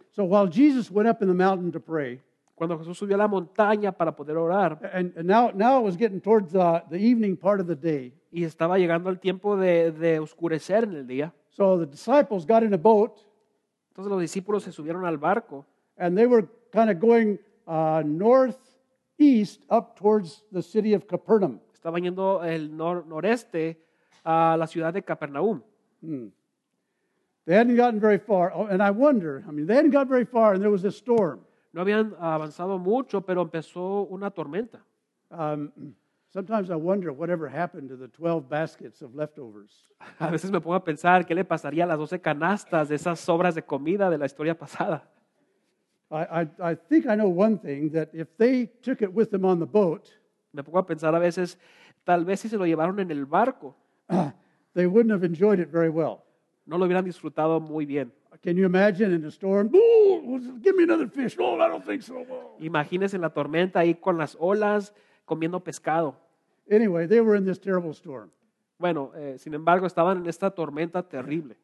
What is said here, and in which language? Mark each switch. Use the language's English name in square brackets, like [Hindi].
[English] So while Jesus went up in the mountain to pray, [Spanish] cuando Jesús subió a la montaña para poder orar, [English] and now it was getting towards the evening part of the day. [Spanish] Y estaba llegando el tiempo de oscurecer en el día. [English] So the disciples got in a boat. [Spanish] Entonces los discípulos se subieron al barco. [English] And they were kind of going northeast up towards the city of Capernaum. [Spanish] Estaban yendo el noreste a la ciudad de Capernaum. [English] They hadn't gotten very far. Oh, and I wonder, they hadn't gotten very far and there was a storm. [Spanish] No habían avanzado mucho, pero empezó una tormenta. [English] Sometimes I wonder whatever happened to the 12 baskets of leftovers. [Spanish] A veces me pongo a pensar qué le pasaría a las 12 canastas de esas sobras de comida de la historia pasada. [English] I think I know one thing, that if they took it with them on the boat, [Spanish] me pongo a pensar a veces, tal vez si se lo llevaron en el barco, [English] they wouldn't have enjoyed it very well. [Spanish] No lo hubieran disfrutado muy bien. [English] Can you imagine in a storm? Ooh, give me another fish. No, I don't think so. [Spanish] Imagínese en la tormenta ahí con las olas comiendo pescado. [English] Anyway, they were in this terrible storm. [Spanish] Bueno, sin embargo, estaban en esta tormenta terrible.